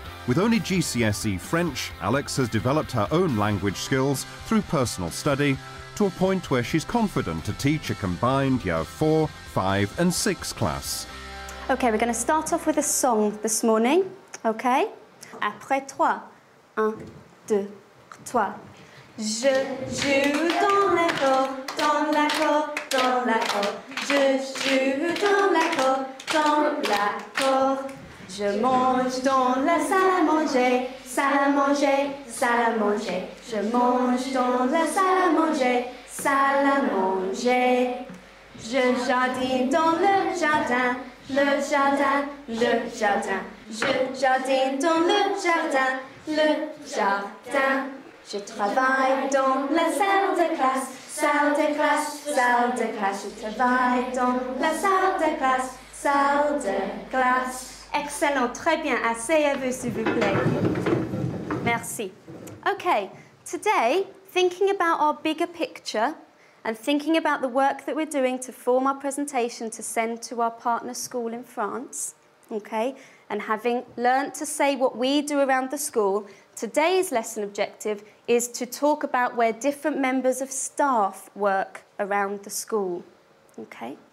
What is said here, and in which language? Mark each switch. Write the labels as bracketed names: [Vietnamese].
[English] With only GCSE French, Alex has developed her own language skills through personal study to a point where she's confident to teach a combined year 4, 5 and 6 class. Okay, we're going to start off with a song this morning, okay? [French] Après toi, un, deux, trois. Je joue dans la cour, dans la cour. Je joue dans la cour. Je mange dans la salle à manger, salle à manger, salle à manger. Je mange dans la salle à manger, salle à manger. Je jardine dans le jardin. Le jardin, le jardin. Je jardine dans le jardin, le jardin. Je travaille dans la salle de classe, salle de classe, salle de classe. Je travaille dans la salle de classe, salle de classe. Excellent, très bien. Asseyez-vous, s'il vous plaît. Merci. [English] Okay, today, thinking about our bigger picture, and thinking about the work that we're doing to form our presentation to send to our partner school in France, okay, and having learnt to say what we do around the school, today's lesson objective is to talk about where different members of staff work around the school, okay?